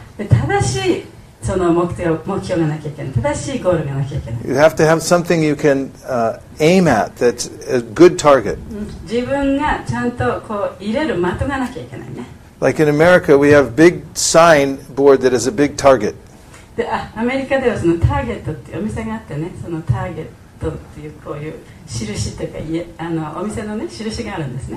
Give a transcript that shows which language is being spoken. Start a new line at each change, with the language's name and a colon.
Japanese: 正しいその目標がなきゃいけない。正しいゴールがなきゃいけない。
English: You have to have something you can aim at that's a good target.
Japanese: 自分がちゃんとこう入れる的がなきゃいけないね。
English: Like in America, we have big sign board that is a big target.
Japanese: で、あ、アメリカではそのターゲットっていうお店があってね、そのターゲットっていうこういう印っていうか、あのお店のね、印があるんですね。